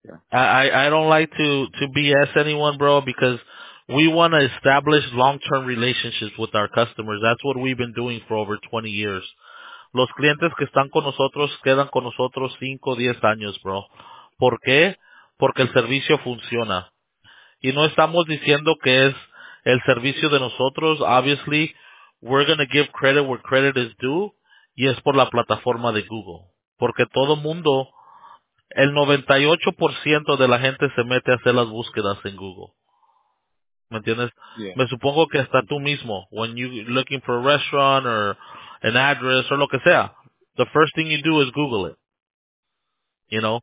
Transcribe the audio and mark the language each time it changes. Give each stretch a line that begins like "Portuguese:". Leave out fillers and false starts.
English: I don't like to BS anyone, bro, because we want to establish long-term relationships with our customers. That's what we've been doing for over 20 years.
Spanish: Los clientes que están con nosotros quedan con nosotros 5 o 10 años, bro. ¿Por qué? Porque el servicio funciona. Y no estamos diciendo que es el servicio de nosotros.
English: Obviously, we're going to give credit where credit is due,
Spanish: y es por la plataforma de Google. Porque todo mundo, el 98% de la gente se mete a hacer las búsquedas en Google. ¿Me entiendes?
English: Yeah.
Spanish: Me supongo que hasta tú mismo,
English: when you're looking for a restaurant or an address or
Spanish: lo que sea,
English: the first thing you do is Google it. You know?